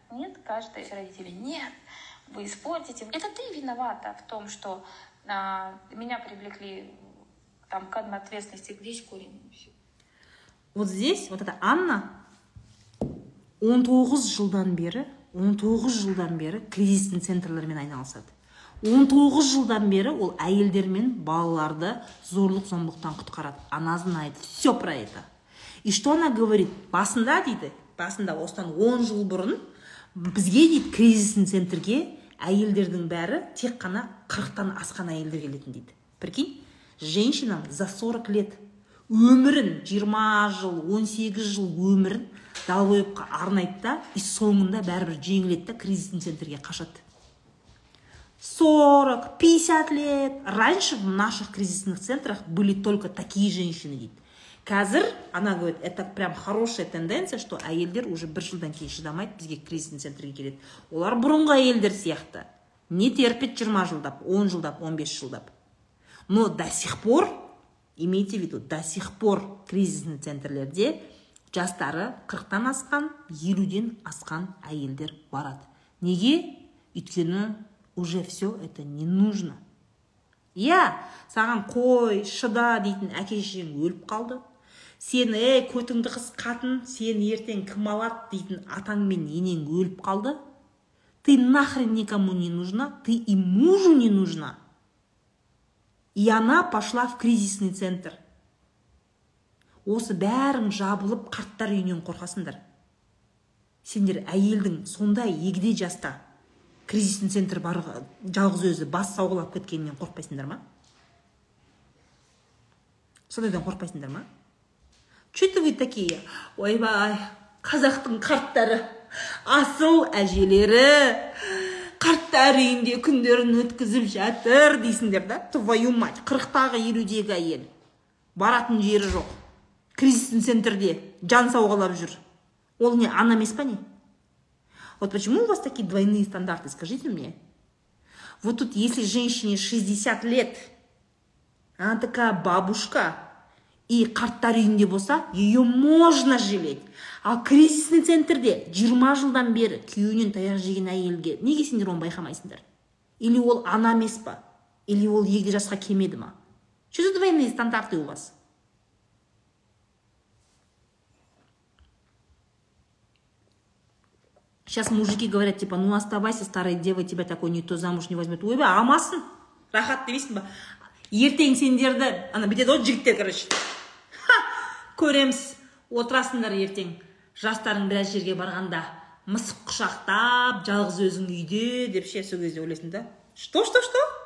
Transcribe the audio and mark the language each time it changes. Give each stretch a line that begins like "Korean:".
Russian: Нет, каждый родители. Нет, вы испортите. Это ты виновата в том, что меня привлекли там, к одной ответственности. Весь корень вообще. Вот здесь, вот эта
Kazakh: Анна, 19 жылдан бері, 19 жылдан бері кризисный центрлермен айналысады. 19 жылдан бері ол әйелдермен балаларды зорлық-зомбықтан құтқарады.
Russian: Она знает все про это. И что она говорит?
Kazakh: Басында дейді, басында осыдан 10 жыл бұрын, бізге дейді кризисный центрге әйелдердің бәрі тек қана 40-тан асқан әйелдер келетін дейді.
Russian: Прикинь, женщинам за 40 лет.
Kazakh: Өмірін 20 жыл, 18 жыл өмірін далбойыпқа арнайды да, и соңында бәрібір жеңіледі да, кризисный центрге қашады.
Russian: 40-50 лет. Раньше в наших кризисных центрах были только такие женщины, дейді.
Kazakh: Қазір,
Russian: она говорит, это прям хорошая тенденция, что
Kazakh: әйелдер уже бір жылдан кейін шыдамайды, бізге кризисный центрге келеді. Олар бұрынғы әйелдер сияқты. Не терпеді 20 жылдап, 10 жылдап, 15 жылдап.
Russian: Но до сих пор, имейте в виду, до сих пор кризисный
Kazakh: центрлерде жастары 40-тан асқан, 50-ден асқан әйелдер барады. Неге?
Russian: Өйткені уже все это не нужно.
Kazakh: Иә, саған қой, шыда дейтін әкешең өліп қалды. Сен, көтіңді қыз қатын, сен ертең кім алады дейтін атаң мен енең өліп қалды.
Russian: Ты нахрен никому не нужна, ты и мужу не нужна. И она пошла в кризисный центр.
Kazakh: Осы бәрін жабылып, қарттар үйінен қорқасындар. Сендер әйелдің сонда егде жаста кризисный центр бар, жалғыз өзі бас сауғылап кеткенінен қорқпайсындар ма? Сондайдан қорқпайсындар ма?
Russian: Чөті вы такие?
Kazakh: Ойбай, қазақтың қарттары, асыл әжелері. Қарттар үйінде күндерін өткізіп жатыр дейсіңдер да?
Russian: Твою мать,
Kazakh: 40-тағы 50-дегі әйел. Баратын жері жоқ. Кризисный центрде жан сауғалап жүр. Ол не, ана емес па не?
Russian: Вот почему у вас такие двойные стандарты, скажите мне? Вот тут, если женщине 60 лет, она такая бабушка, и
Kazakh: қарттар үйінде болса,
Russian: ее можно жалеть.
Kazakh: А кризисный центрде 20 жылдан бері күйеуінен таяқ жеген әйелге неге сендер оны байқамайсыңдар? Или ол ана емес па? Или ол егде жасқа келмеді ма?
Russian: Что за двойные стандарты у вас? Сейчас мужики говорят, типа, ну оставайся, старая дева тебя такой никто замуж не возьмет.
Kazakh: Ойбай, амасын, рахат демейсің ба? Ертең сендерді, ана бітеді ғой жігіттер, короче. Ха, көреміз, отырасыңдар ертең. Жастарың біраз жерге барғанда мысық құшақтап, жалғыз өзің үйде деп ше, сол кезде ойлайсың да?
Russian: Что, что, что?